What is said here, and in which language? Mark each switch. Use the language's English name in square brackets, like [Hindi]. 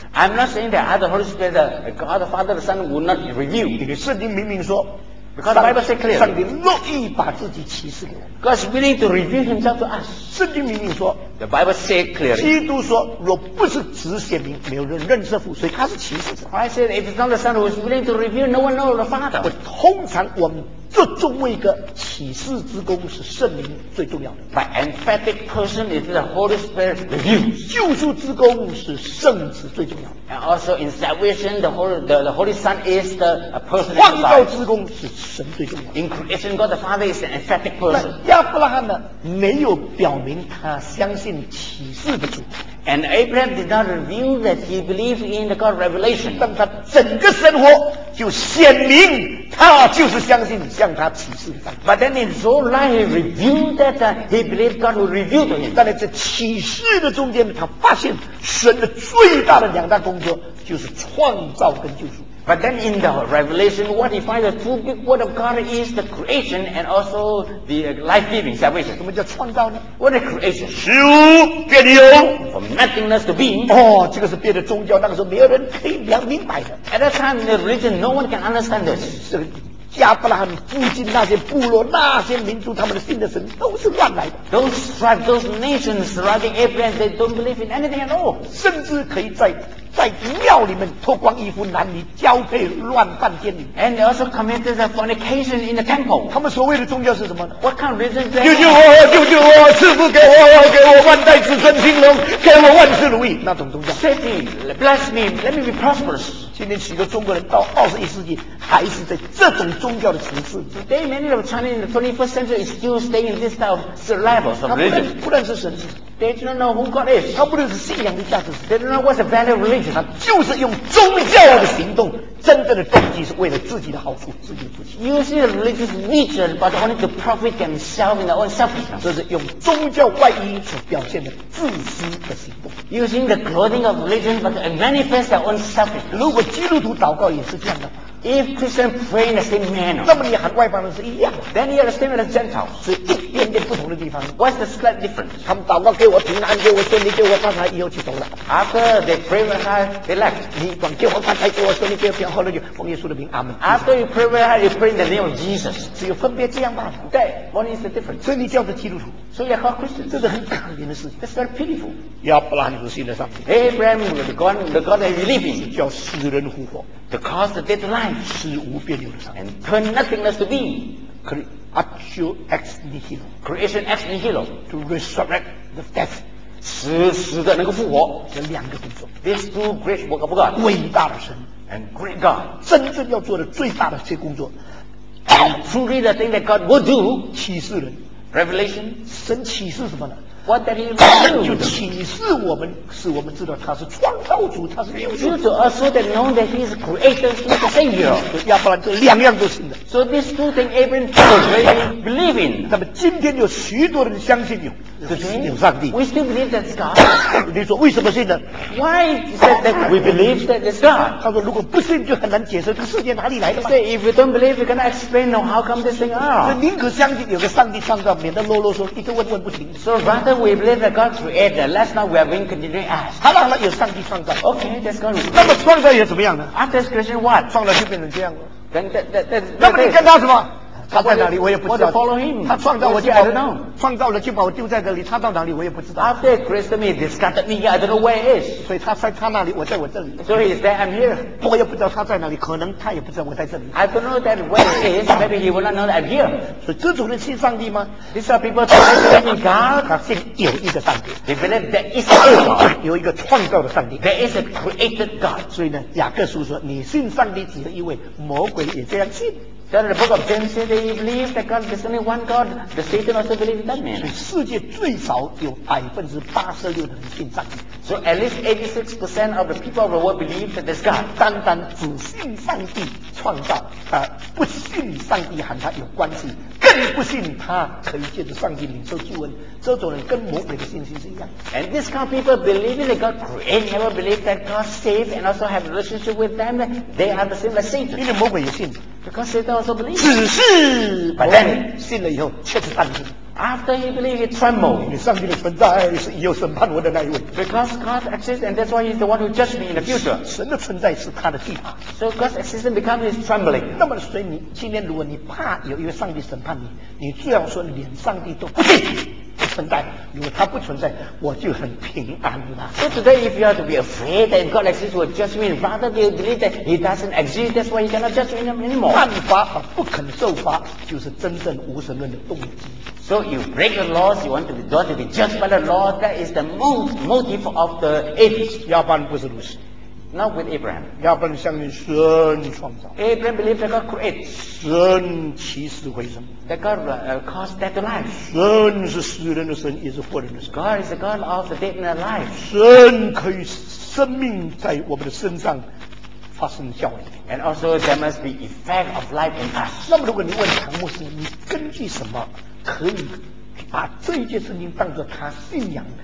[English] I'm not saying that other Holy Spirit, God the Father, the Son will not reveal. [Chinese] 圣经明明说 [English] ，because the Bible says clearly, [Chinese] 上帝乐意把自己启示给我们。 [English] God is willing to reveal Himself to us. [Chinese] 圣经明明说 [English] ，the Bible says clearly. [Chinese] 基督说，若不是子显明，没有人认识父，所以他是启示者。 [English] Christ said, if it's not the Son who is willing to reveal, no one knows the Father. [Chinese] 我通常我们这中位格启示之功是圣灵最重要的。 [English] By emphatic person is the Holy Spirit reveal. [Chinese] 救赎之功是圣子最重要的。 [English] And also in salvation, the Holy Son is the person. [Chinese] 创造之功是神最重要的。 [English] In creation, God the Father is an emphatic person. [Chinese] 亚伯拉罕呢，没有表明他相信启示的主。 [English] And Abraham did not reveal that he believed in the God revelation. [Chinese] 但他整个生活就显明他就是相信向他启示的。 [English] But then in his whole life he revealed that he believed God would reveal to him. [Chinese] 但在启示的中间他发现神的最大的两大工作就是创造跟救赎。 [English] But then in the revelation, what he finds the two big word of God is the creation and also the life-giving salvation. [Chinese] 什么叫创造呢 [English] ？What is creation? [Chinese] 事物变有 [English] ，from nothingness to being. [Chinese] 哦，这个是别的宗教那个时候没有人可以讲明白的。 [English] At that time, the religion no one can understand this. [Chinese] 是亚伯拉罕附近那些部落、那些民族，他们的信的神都是乱来的。 [English] Those tribes, those nations surrounding Abraham, they don't believe in anything at all. [Chinese] 甚至可以在在庙里面脱光衣服，男女交配，乱犯奸淫。 [English] And they also committed a fornication in the temple. [Chinese] 他们所谓的宗教是什么呢 [English] ？What kind of religion? [Chinese] 救救我！救救我！师父给我，给我万代子孙兴隆，给我万事如意。那种宗教。 [English] Save me, bless me, let me be prosperous. [Chinese] 今天许多中国人到21世纪还是在这种宗教的形式。 [English] Today, many of Chinese in the 21st century is still staying in this type of survival of religion. [Chinese] 不认识神。 [English] They don't know who God is. [Chinese] 他不认识信仰的价值。 [English] They don't know what's the value of religion. [Chinese] 他就是用宗教的行动，真正的动机是为了自己的好处，自己的福气。 [English] Using a religious religion, but only to profit themselves in their own selfishness. [Chinese] 这是用宗教外衣所表现的自私的行动。 [English] Using the clothing of religion, but to manifest their own selfishness. [Chinese] 如果基督徒祷告也是这样的。 [English] If Christians pray in the same manner, [Chinese] 那么你喊外邦人是一样的。 [English] Then you are the same as Gentiles. [Chinese] 是一点点不同的地方。 [English] What's the slight difference? [Chinese] 他们祷告给我平安，给我顺利，给我发财，以后就走了。 [English] After they pray very hard, they left. [Chinese] 你光给我发财，给我顺利，给我平安，后来就奉耶稣的名，阿门。 [English] After you pray very hard, you pray in the name of Jesus. [Chinese] 只有分别这样罢了。 [English] 对 ，What is the difference? [Chinese] 所以你叫做基督徒。 [English] So you call Christians. [Chinese] 这是很可怜的事情。 [English] That's very pitiful. [Chinese] 亚伯拉罕所信的上帝。 [English] Abraham, the God that you believe in, [Chinese] 叫死人复活。 [English] To cause the dead life, [Chinese] 是无变有的上帝。 [English] And turn nothingness to be, [Latin] creatio ex nihilo, [English] creation ex nihilo, to resurrect the dead, [Chinese] 死死的能够复活。这两个工作。 [English] These two great work of God, [Chinese] 伟大的神。 [English] And great God, [Chinese] 真正要做的最大的这工作。 [English] And truly the thing that God will do, [Chinese] 启示人。 [English] Revelation, [Chinese] 神启示什么呢？ [English] What that he will do? [Chinese] 就启示我们，使我们知道他是创造主，他是救主。 [English] To us, so that know that he is creator, he is the savior. [Chinese] 要不然就两样都信的。 [English] So these two things, Abraham believed, really believe in. [Chinese] 那么今天有许多人相信有。 [English] Today, [Chinese] 有上帝。 [English] We still believe that God. [Chinese] 你说为什么信呢 [English] ？Why is that, that we believe that it's God? [Chinese] 他说如果不信就很难解释这世界哪里来的嘛。 [English] Say if you don't believe, you cannot explain how come this thing are. [Chinese] 宁可相信有个上帝创造，免得啰啰嗦，一直问问不停。 [English] So rather we believe that God created. Let's not we are being continually asked. [Chinese] 好了好了，有上帝创造。 [English] Okay, that's God. [Chinese] 那么创造也怎么样呢 [English] ？After creation, what? [Chinese] 创造就变成这样了。那么你跟他什么？他在哪里我也不知道。 [English] Follow him. [Chinese] 他创造我就把我创造了就把我丢在这里，他到哪里我也不知道。 [English] After Christ me, discarded me, I don't know where he is. [Chinese] 所以他在他那里，我在我这里。 [English] So he's there, I'm here. [Chinese] 我也不知道他在哪里，可能他也不知道我在这里。 [English] I don't know that where he is. Maybe he will not know that I'm here. [Chinese] 所以这种人信上帝吗 [English] ？These are people that believe in God. [Chinese] 他信有一个上帝。 [English] They believe there is a God. [Chinese] 有一个创造的上帝。 [English] There is a created God. [Chinese] 所以呢，雅各书说，你信上帝只是因为魔鬼也这样信。 [English] That the book of James says they believe that God is only one God. The Satan also believes that man. [Chinese] 世界最少有86%的人信上帝。 [English] So at least 86% of the people of the world believe that there's God. [Chinese] 单单只信上帝创造，不信上帝和他有关系，更不信他可以借着上帝领受救恩。这种人跟魔鬼的信心是一样。 [English] And this kind of people believing that God created, never believe that God saved and also have a relationship with them. They are the same as Satan. [Chinese] 因为魔鬼也信。 [English] Because Satan also believes. [Chinese] 只是 ， [English] but then [Chinese] 信了以后却是担心。 [English] After he believed, he trembled. [Chinese] 你上帝的存在是以后审判我的那一位。 [English] Because God exists, and that's why he's the one who judges me in the future. [Chinese] 神的存在是他的惧怕。 [English] So God's existence becomes his trembling. [Chinese] 那么所以你今天如果你怕有一位上帝审判你，你这样说连上帝都不信。存在，如果他不存在，我就很平安了。 [English] So today, if you are to be afraid that God exists, will judge me. Rather, do you believe that He doesn't exist? That's why He cannot judge me anymore. [Chinese] 犯法而不肯受罚，就是真正无神论的动机。 [English] So you break the laws, you want to be judged, by the law. That is the motive of the atheist. [Chinese] 亚伯不是如此。 [English] Not with Abraham. [Chinese] 亚伯相信神创造。 [English] Abraham believed that God creates. [Chinese] 神起死回生。 [English] That God caused death to life. [Chinese] 神是死人的神，也是活人的神。 [English] God is the God of the dead and the alive. [Chinese] 神可以生命在我们的身上发生效力。 [English] And also there must be effect of life in us. [Chinese] 那么如果你问唐牧师，你根据什么可以把这一件事情当作他信仰？